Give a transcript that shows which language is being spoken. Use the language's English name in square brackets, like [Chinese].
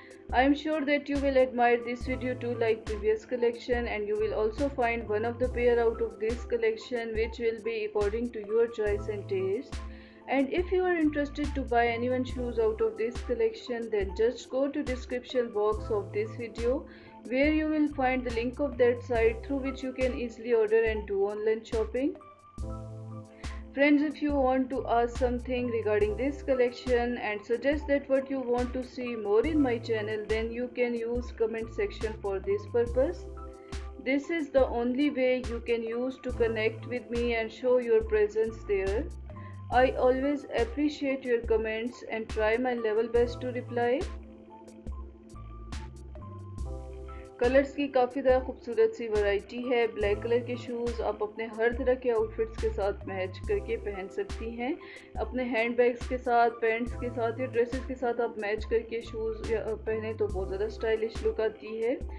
[English] I am sure that you will admire this video to like previous collection and you will also find one of the pair out of this collection which will be according to your choice and taste. And if you are interested to buy any one shoes out of this collection then just go to description box of this video where you will find the link of that site through which you can easily order and do online shopping. Friends, if you want to ask something regarding this collection and suggest that what you want to see more in my channel, then you can use comment section for this purpose. This is the only way you can use to connect with me and show your presence there. I always appreciate your comments and try my level best to reply. [Urdu] Colours کی کافی زیادہ خوبصورت سی variety ہے. Black colour کے shows آپ اپنے ہر طرح کے out فٹس کے ساتھ میچ کر کے پہن سکتی ہیں. اپنے ہینڈ بیگس کے ساتھ، پینٹس کے ساتھ یا ڈریسز کے ساتھ آپ میچ کر کے شوز پہنیں تو بہت زیادہ سٹائلش لک آتی ہے.